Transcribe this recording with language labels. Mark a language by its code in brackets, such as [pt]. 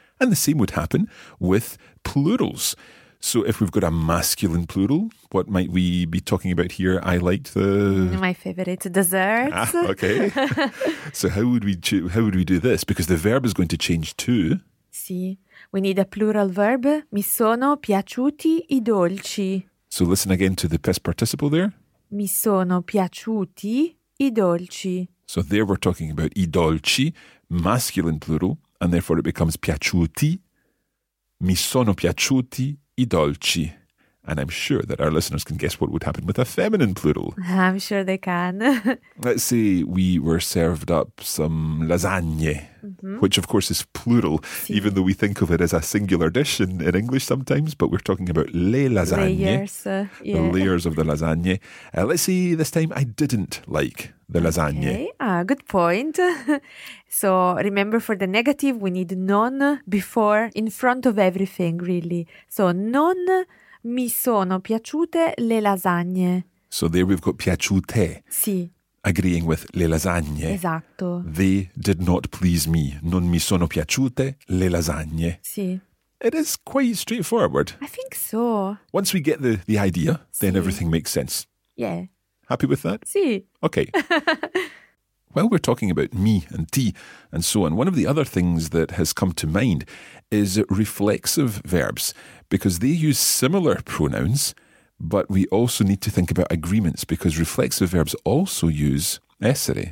[en] And the same would happen with plurals. So if we've got a masculine plural, what might we be talking about here? I liked the... My favourite dessert. Ah, okay. So how would we do this? Because the verb is going to change too. Sì. We need a plural verb. [it] Mi sono piaciuti i dolci. [en] So listen again to the past participle there. [it] Mi sono piaciuti i dolci. [en] So there we're talking about i dolci, masculine plural, and therefore it becomes piaciuti. [it] Mi sono piaciuti i dolci. [en] And I'm sure that our listeners can guess what would happen with a feminine plural. I'm sure they can. Let's say we were served up some lasagne, which of course is plural, even though we think of it as a singular dish in English sometimes, but we're talking about le lasagne, layers. The layers of the lasagne. Let's say this time I didn't like the lasagne. Okay, good point. So remember for the negative, we need non before, in front of everything, really. [it] So non mi sono piaciute le lasagne. [en] So there we've got piaciute. [it] Sì. [en] Agreeing with le lasagne. [it] Esatto. [en] They did not please me. [it] Non mi sono piaciute le lasagne. Sì. [en] It is quite straightforward. I think so. Once we get the idea, then everything makes sense. Yeah. Happy with that? [it] Sì. [en] Okay. While we're talking about me and ti and so on, one of the other things that has come to mind is reflexive verbs, because they use similar pronouns, but we also need to think about agreements, because reflexive verbs also use essere.